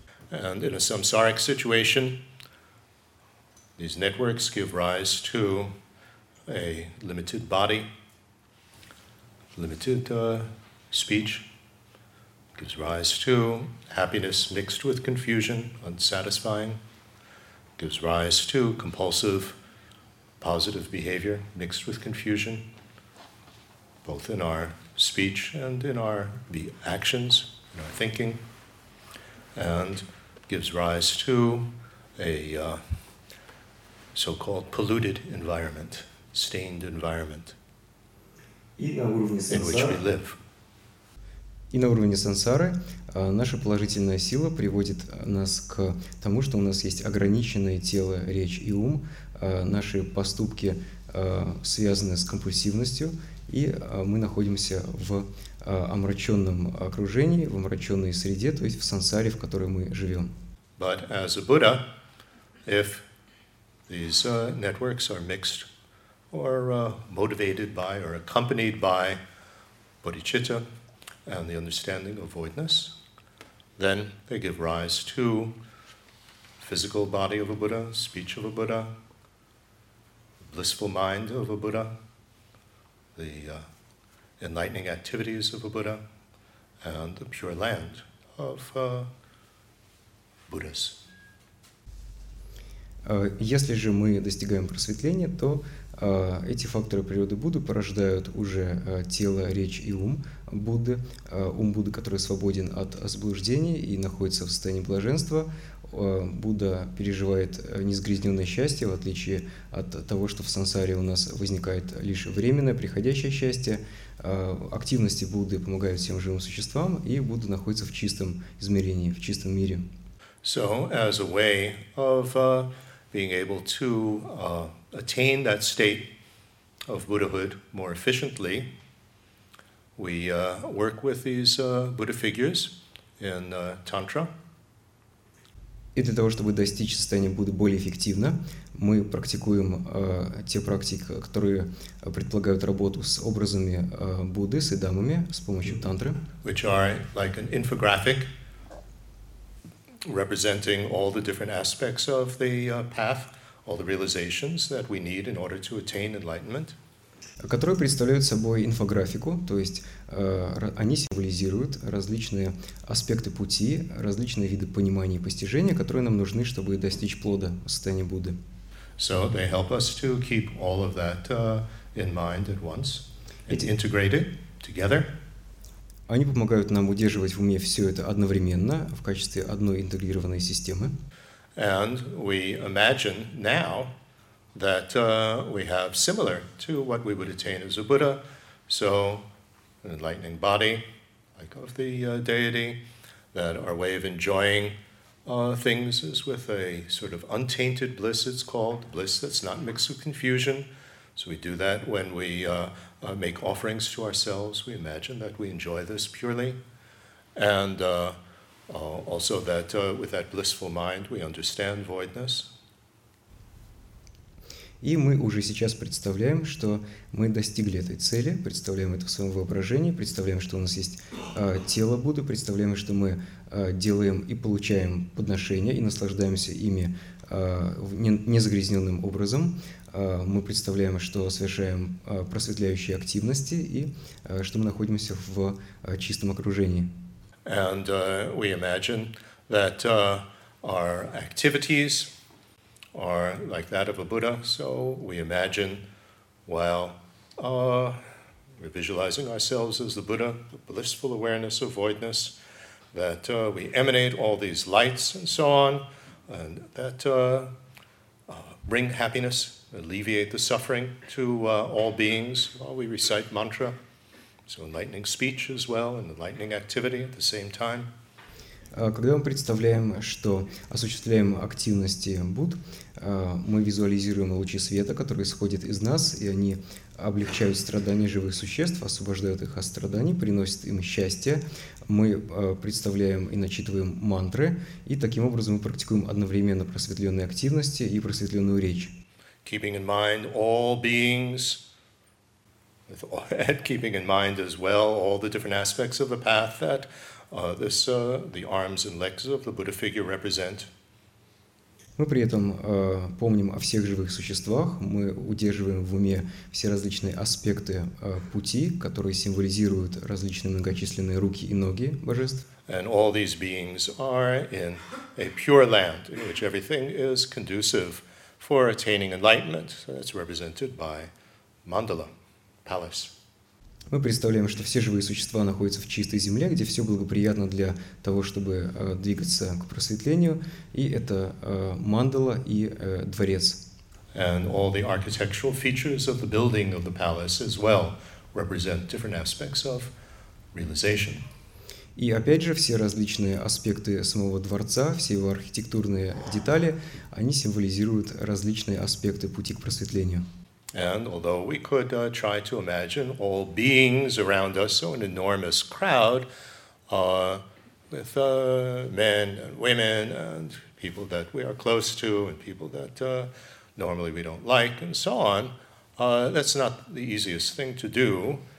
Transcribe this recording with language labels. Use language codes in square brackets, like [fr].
[en] And in a samsaric situation, these networks give rise to a limited body, limited speech, gives rise to happiness mixed with confusion, unsatisfying, gives rise to compulsive positive behavior mixed with confusion, both in our speech and in our actions, in our thinking, and gives rise to a so-called polluted environment, stained environment in which we live. [ru] И на уровне сансары наша положительная сила приводит нас к тому, что у нас есть ограниченное тело, речь и ум, наши поступки связаны с компульсивностью, и мы находимся в омраченном окружении, в омраченной среде, то есть в сансаре, в которой мы живем. [en] But as a Buddha, if these networks are mixed or motivated by or accompanied by bodhicitta and the understanding of voidness, then they give rise to physical body of a Buddha, speech of a Buddha, blissful mind of a Buddha, the enlightening activities of a Buddha, and the pure land of Buddhas. [ru] Если же мы достигаем просветления, то эти факторы природы Будды порождают уже тело, речь и ум Будды, ум Будды, который свободен от заблуждений и находится в состоянии блаженства. Будда переживает несгрязненное счастье, в отличие от того, что в сансаре у нас возникает лишь временное, приходящее счастье. Активности Будды помогают всем живым существам, и Будда находится в чистом измерении, в чистом мире. [en] So, as a way of being able to attain that state of Buddhahood more efficiently, we work with these Buddha figures in Tantra. [ru] И для того, чтобы достичь состояния Будды более эффективно, мы практикуем те практики, которые предполагают работу с образами Будды, с идамами, с помощью тантры. [en] Which are like an infographic representing all the different aspects of the path, all the realizations that we need in order to attain enlightenment. [ru] Которые представляют собой инфографику, то есть они символизируют различные аспекты пути, различные виды понимания и постижения, которые нам нужны, чтобы достичь плода состояния Будды. [en] So they help us to keep all of that in mind at once and integrate it together. [ru] Они помогают нам удерживать в уме все это одновременно в качестве одной интегрированной системы. [en] And we imagine now that we have similar to what we would attain as a Buddha, so an enlightening body, like of the deity, that our way of enjoying things is with a sort of untainted bliss, it's called, bliss that's not mixed with confusion. So we do that when we make offerings to ourselves. We imagine that we enjoy this purely. And also that with that blissful mind, we understand voidness. [ru] И мы уже сейчас представляем, что мы достигли этой цели, представляем это в своем воображении, представляем, что у нас есть тело Будды, представляем, что мы делаем и получаем подношения и наслаждаемся ими незагрязненным образом. Мы представляем, что совершаем просветляющие активности и что мы находимся в чистом окружении. [en] And we imagine that our activities are like that of a Buddha. So we imagine while we're visualizing ourselves as the Buddha, the blissful awareness of voidness, that we emanate all these lights and so on, and that bring happiness, alleviate the suffering to all beings while we recite mantra. So enlightening speech as well, and enlightening activity at the same time. [ru] Когда мы представляем, что осуществляем активности Будд, мы визуализируем лучи света, которые исходят из нас, и они облегчают страдания живых существ, освобождают их от страданий, приносят им счастье. Мы представляем и начитываем мантры, и таким образом мы практикуем одновременно просветленные активности и просветленную речь. [en] Keeping in mind all beings, and keeping in mind as well all the different aspects of the path that the arms and legs of the Buddha figure represent. [ru] Мы при этом помним о всех живых существах, мы удерживаем в уме все различные аспекты пути, которые символизируют различные многочисленные руки и ноги божеств. [en] And all these beings are in a pure land in which everything is conducive for attaining enlightenment. So that's represented by mandala, palace. [ru] Мы представляем, что все живые существа находятся в чистой земле, где все благоприятно для того, чтобы двигаться к просветлению, и это мандала и дворец. [en] And all the architectural features of the building of the palace as well represent different aspects of realization. [ru] И опять же, все различные аспекты самого дворца, все его архитектурные детали, они символизируют различные аспекты пути к просветлению. [en] And although we could try to imagine all beings around us, so an enormous crowd with men and women and people that we are close to and people that normally we don't like and so on, that's not the easiest thing to do.